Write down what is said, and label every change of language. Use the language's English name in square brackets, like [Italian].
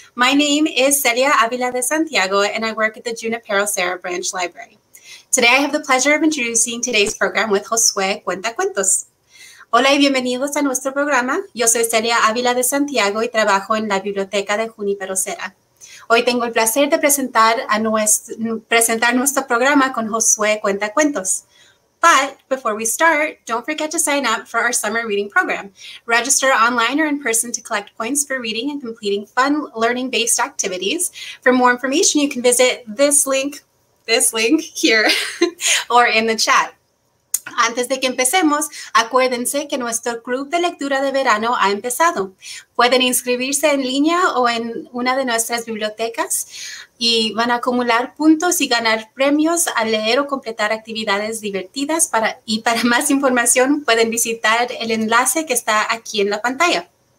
[English] My name is Celia Avila de Santiago and I work at the Junipero Serra Branch Library. Today I have the pleasure of introducing today's program with Josue Cuenta Cuentos. [Spanish] Hola y bienvenidos a nuestro programa. Yo soy Celia Avila de Santiago y trabajo en la biblioteca de Junipero Serra. Hoy tengo el placer de presentar nuestro programa con Josue Cuenta Cuentos. [English] But before we start, don't forget to sign up for our summer reading program. Register online or in person to collect points for reading and completing fun learning-based activities. For more information, you can visit this link here or in the chat. [Spanish] Antes de que empecemos, acuérdense que nuestro club de lectura de verano ha empezado. Pueden inscribirse en línea o en una de nuestras bibliotecas y van a acumular puntos y ganar premios al leer o completar actividades divertidas. Para más información, pueden visitar el enlace que está aquí en la pantalla.